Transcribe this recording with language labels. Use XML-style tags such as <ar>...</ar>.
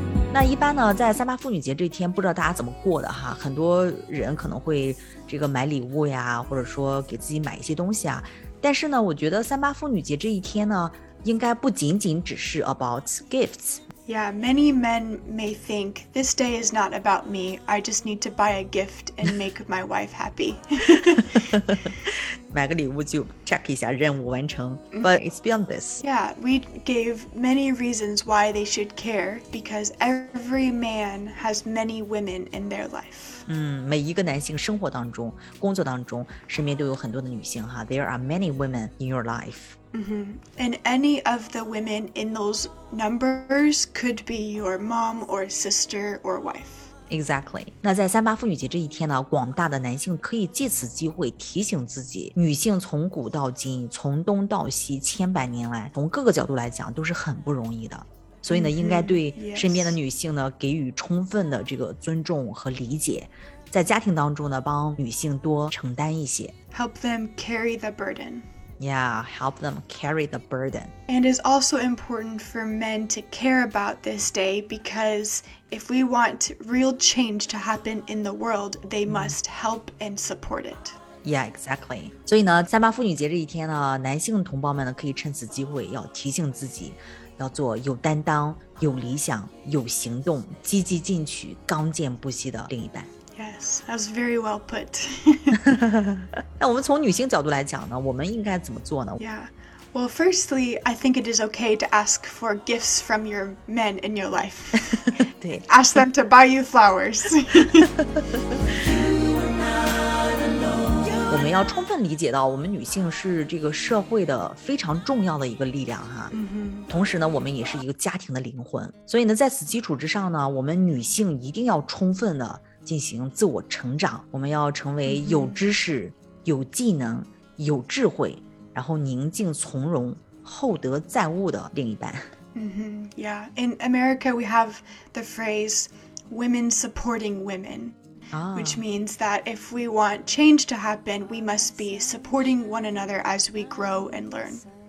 <zh>那一般呢，在三八妇女节这天，不知道大家怎么过的哈。很多人可能会这个买礼物呀，或者说给自己买一些东西啊。但是呢，我觉得三八妇女节这一天呢，应该不仅仅只是</zh> <en>about gifts。 Yeah, many men may think this day is not about me. I just need to buy a gift and make my wife happy.</en> <zh>买个礼物就 check 一下任务完成</zh> <en>But it's beyond this. Yeah, we gave many reasons why they should care because every man has many women in their life.</en> <zh>每一个男性生活当中、工作当中，身边都有很多的女性哈。</zh> <en>There are many women in your life. And any of the women in those numbers could be your mom or sister or wife. Exactly.</en> <zh>那在三八妇女节这一天呢，广大的男性可以借此机会提醒自己，女性从古到今，从东到西，千百年来，从各个角度来讲都是很不容易的。所以呢，应该对身边的女性呢给予充分的这个尊重和理解，在家庭当中呢，帮女性多承担一些。</zh> <en>Help them carry the burden. Yeah, help them carry the burden. And it's also important for men to care about this day because if we want real change to happen in the world, they must help and support it. Yeah, exactly.</en> <zh>所以呢，三八妇女节这一天呢，男性同胞们呢可以趁此机会要提醒自己，要做有担当、有理想、有行动、积极进取、刚健不息的另一半。</zh> <en>Yes, that's very well put.</en> <zh>那我们从女性角度来讲呢，我们应该怎么做呢？</zh> <en>Yeah, well, firstly, I think it is okay to ask for gifts from your men in your life.</en> <zh>对。</zh> <en>Ask them to buy you flowers.</en> <zh>我们要充分理解到我们女性是这个社会的非常重要的一个力量哈。嗯，同时呢，我们也是一个家庭的灵魂。所以呢，在此基础之上呢，我们女性一定要充分的进行自我成长，我们要成为有知识、有技能、有智慧，然后宁静从容、厚德载物的另一半。 Mm-hmm.</zh> <en>Yeah, in America we have the phrase women supporting women, which means that if we want change to happen, we must be supporting one another as we grow and learn.</en>